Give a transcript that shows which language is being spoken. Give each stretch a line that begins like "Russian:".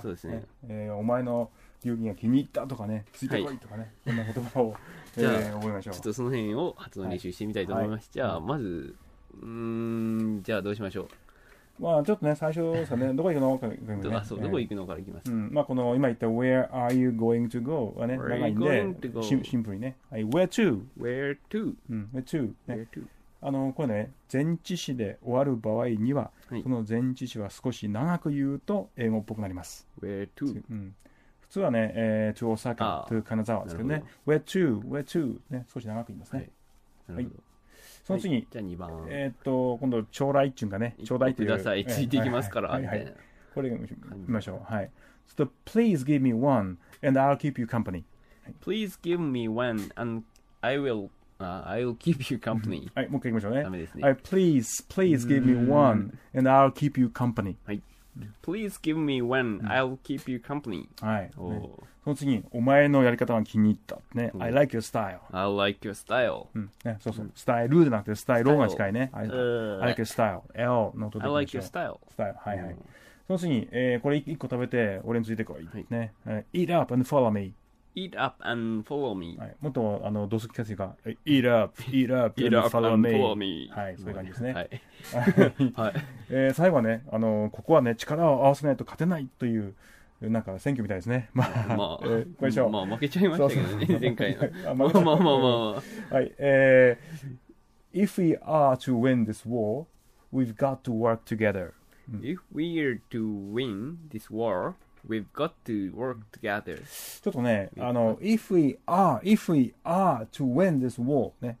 Japanese: そうですね、お前の流儀が気に入ったとかね、ついてこいとかね、はい、そんな言葉を、じゃあ覚えましょう。ちょっとその辺を発音練習してみたいと思います。はい、じゃあ、まず、じゃあどうしましょう。まあ、ちょっとね、最初さ、ね、どこ行くのから行きます、ね。あ、そう、どこ行くのから行きます。うん、まあ、この今言った
English: Where are you going to go?
Japanese: はね、長いんで、シンプルにね。
English: はい、Where to? Where to?、うん、Where to?、ね、 Where to?、
Japanese: これね、前置詞で終わる場合には、はい、その前置詞は少し長く言うと英語っぽくなります。
English: Where to?、
Japanese: うん、普通はね、to 大阪、to 金沢ですけどね。
English: Where to? Where to?
Japanese: ね、少し長く言いますね。はい。なるほど、はい、その次、はい、じゃあ 2番、今度、ちょうだいっていうかね、ちょうだいっていう。ください、ついていきますから。はい、はいはいはい、これ見ましょう。はい。
English: So, please give me one, and I'll keep you company. Please give me one, and I will keep you company.
Japanese: はい、もう一回いきましょうね。ダメですね。はい、
English: please, please give me one, and I'll keep you company.
Japanese: はい。
English: Please give me one, I'll keep you company.
Japanese: はい、ね。その次、お前のやり方が気に入った。
English: ね、I like your style. I like your style.、
Japanese: うんね、そうそう、スタイルじゃなくて、スタイルが近いね。
English: I like your style.
Japanese: L の
English: 音で。I like your style.
Japanese: スタイル、はいはい。その次、これ一個食べて、俺についてこい。はい、ね、
English: eat up and follow me. Eat up and follow me.、
Japanese: はい、もっと、どうする気がするか。
English: eat up, eat up, eat up and follow me. Follow me.
Japanese: はい、そういう感じですね。はい、最後はね、ここはね、力を合わせないと勝てないという、なんか選挙みたいですね。まあ、まあ、これでしょう。まあ、負けちゃいましたけどね、前回の。まあまあまあまあ。はい。
English: If we are to win this war, we've got to work together. If we are to win this war, we've got to work together.
Japanese: ちょっとね、
English: if we are to win this war, ね。